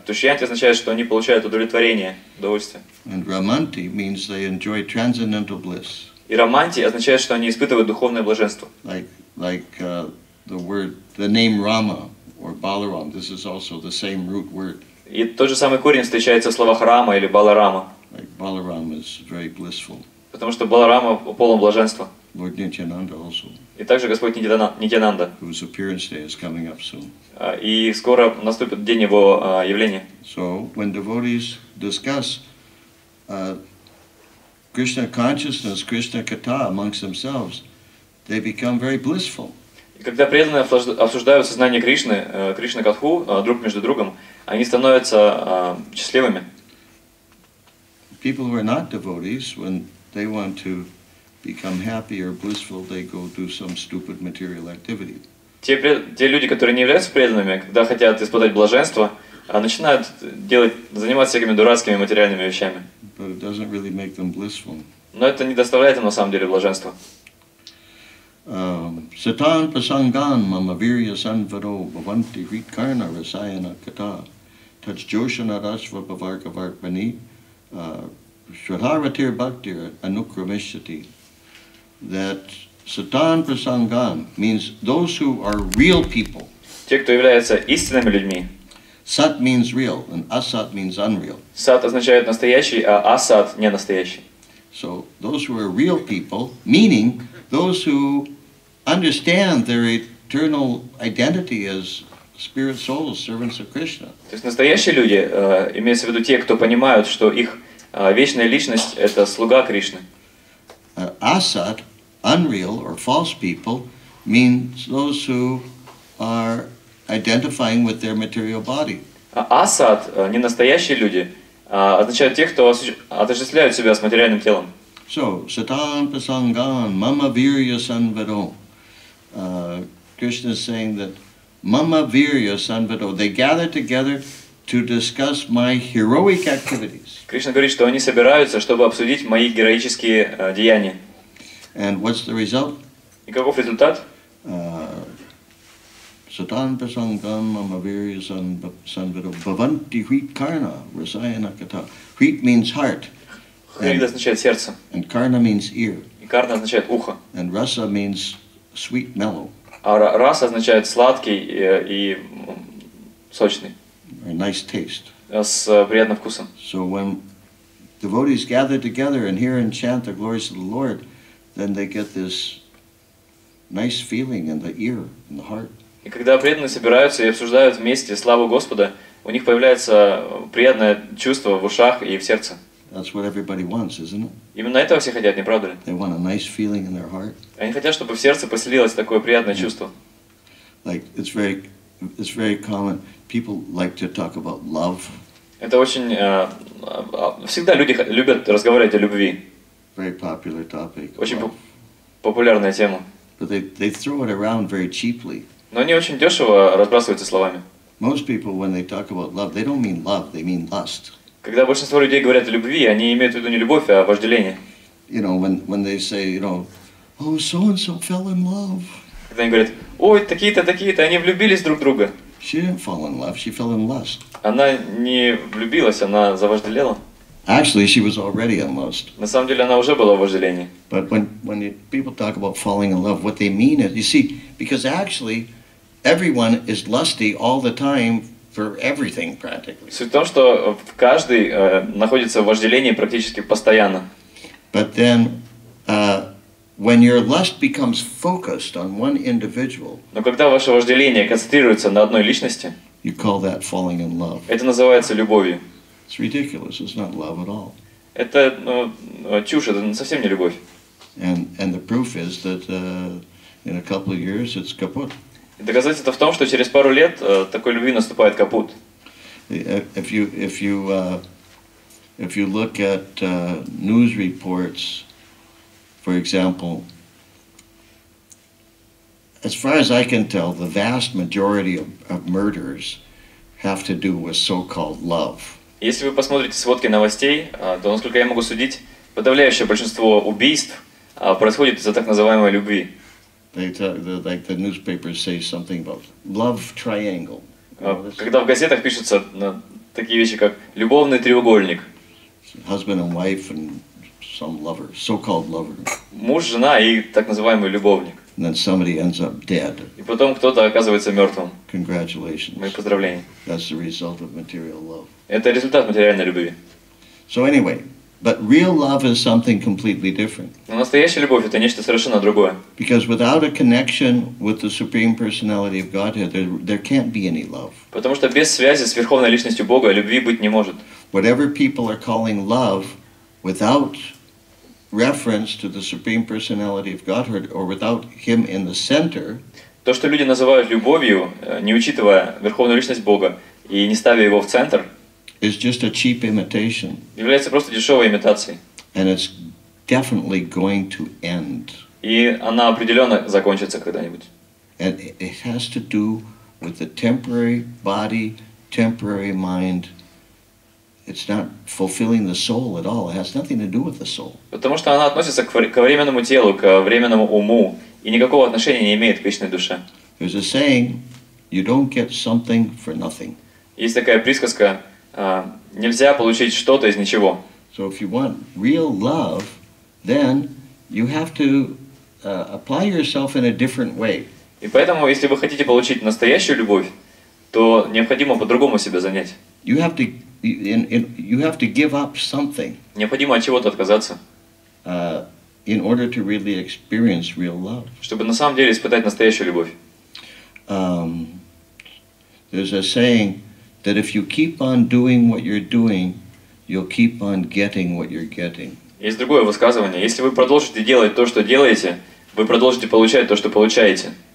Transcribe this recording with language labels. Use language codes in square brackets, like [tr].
[ru] Tushyanti означает, что они получают удовлетворение, удовольствие. [en] And ramanti means they enjoy transcendental bliss. [ru] И романти означает, что они испытывают духовное блаженство. [en] Like the word, the name Rama or Balaram, this is also the same root word. [ru] И тот же самый корень встречается в словах Рама или Баларама. [en] Like Balaram is very blissful. [ru] Потому что Баларама полон блаженства. [en] Lord Nityananda also. [ru] И также Господь Нитянанда. [en] Whose appearance day is coming up soon. [ru] И скоро наступит день его явления. [en] So when devotees discuss Krishna consciousness, Krishna katha amongst themselves, they become very blissful. [ru] Когда преданные обсуждают сознание Кришны, Кришна катху друг между другом, они становятся счастливыми. [en] People who are not devotees, when they want to become happy or blissful, they go do some stupid material activity. [ru] Те люди, которые не являются преданными, когда хотят испытать блаженство, начинают заниматься всякими дурацкими материальными вещами. [en] But it doesn't really make them blissful. [ru] Но это не доставляет им на самом деле блаженства. [sa] Satan pasangan mama virya sanvado bhavanti rikarna rasayana kata touch joshana rasva bhavarka varpani shradharatir bhaktir anukramishati. [en] That [sa] Satan pasangan [en] means those who are real people. [ru] Те, кто являются истинными людьми. [en] Sat means real, and asat means unreal. [ru] Sat означает настоящий, а asat не настоящий. [en] So those who are real people, meaning those who understand their eternal identity as spirit souls, servants of Krishna. [ru] То есть настоящие люди, имеется в виду те, кто понимают, что их вечная личность это слуга Кришны. [en] Asat, unreal or false people, means those who are identifying with their material body. [ru] Асад, не настоящие люди, означают тех, кто отождествляют себя с материальным телом. [sa] So, Satan pasangan, mama virya sanvado. [en] Krishna is saying that [sa] mama virya sanvado. [en] They gather together to discuss my heroic activities. [ru] Кришна говорит, что они собираются, чтобы обсудить мои героические деяния. [en] And what's the result? [ru] И каков результат? [sa] Satan pasangam amavirya sanvado bhavanti hrit karna rasayana kata. [en] Hrit means heart. [ru] Hrit означает сердце. [en] And karna means ear. [ru] И карна означает ухо. [en] And rasa means sweet, mellow. [ru] А раса означает сладкий и сочный. [en] A nice taste. [ru] С приятным вкусом. [en] So when devotees gather together and hear and chant the glories of the Lord, then they get this nice feeling in the ear, in the heart. [ru] И когда преданные собираются и обсуждают вместе славу Господа, у них появляется приятное чувство в ушах и в сердце. [en] That's what everybody wants, isn't it? [ru] Именно этого все хотят, не правда ли? [en] They want a nice feeling in their heart. [ru] Они хотят, чтобы в сердце поселилось такое приятное чувство. [en] Like, it's very It's very common. People like to talk about love. [ru] Это очень всегда люди любят разговаривать о любви. [en] Very popular topic. [ru] Очень популярная тема. [en] But they throw it around very cheaply. [ru] Но они очень дешево разбрасываются словами. [en] Most people, when they talk about love, they don't mean love, they mean lust. [ru] Когда большинство людей говорят о любви, они имеют в виду не любовь, а вожделение. [en] You know, when they say, you know, oh, so and so fell in love. [ru] Когда они говорят, ой, такие-то, они влюбились друг в друга. [en] She didn't fall in love, she fell in lust. [ru] Она не влюбилась, она завожделела. [en] Actually, she was already in lust. [ru] На самом деле, она уже была в вожделении. [en] But when people talk about falling in love, what they mean is, you see, because actually, everyone is lusty all the time for everything practically. [ru] Суть в том, что каждый находится в вожделении практически постоянно. [en] But then, when your lust becomes focused on one individual, [ru] но когда ваше вожделение концентрируется на одной личности, [en] you call that falling in love. [ru] Это называется любовью. [en] It's ridiculous. It's not love at all. [ru] Это чушь. Это совсем не любовь. [en] And the proof is that in a couple of years it's kaput. [ru] Доказательство в том, что через пару лет такой любви наступает капут. [en] If you look at news reports, for example, as far as I can tell, the vast majority of murders have to do with so-called love. [ru] Если вы посмотрите сводки новостей, то, насколько я могу судить, подавляющее большинство убийств происходит из-за так называемой любви. [en] Like the newspapers say something about love triangle. [ru] Когда в газетах пишутся такие вещи, как любовный треугольник. [en] Husband and wife and some lover, so-called lover. [ru] Муж, жена и так называемый любовник. [en] And then somebody ends up dead. [ru] И потом кто-то оказывается мертвым. [en] Congratulations. [ru] Мои поздравления. [en] That's the result of material love. [ru] Это результат материальной любви. [en] So anyway, but real love is something completely different. [ru] Но настоящая любовь — это нечто совершенно другое. [en] Because without a connection with the Supreme Personality of Godhead, there can't be any love. [ru] Потому что без связи с Верховной Личностью Бога любви быть не может. [en] Whatever people are calling love, without reference to the Supreme Personality of Godhead or without Him in the center, [ru] то, что люди называют любовью, не учитывая Верховную Личность Бога и не ставя Его в центр, [en] is just a cheap imitation. [ru] Является просто дешевой имитацией. [en] And it's definitely going to end. [ru] И она определенно закончится когда-нибудь. [en] And it has to do with the temporary body, temporary mind. It's not fulfilling the soul at all. It has nothing to do with the soul. [ru] Потому что она относится к временному телу, к временному уму и никакого отношения не имеет к вечной душе. [en] There's a saying, you don't get something for nothing. [ru] Есть такая присказка: нельзя получить что-то из ничего. [en] So if you want real love, then you have to apply yourself in a different way. [ru] И поэтому, если вы хотите получить настоящую любовь, то необходимо по-другому себя занять. [en] You have to give up something. [ru] Необходимо от чего-то отказаться. [en] In order to really experience real love. [ru] Чтобы на самом деле испытать настоящую любовь. [en] There's a saying that if you keep on doing what you're doing, you'll keep on getting what you're getting. [ru] Есть другое высказывание: если вы продолжите делать то, что делаете, вы продолжите получать то, что получаете.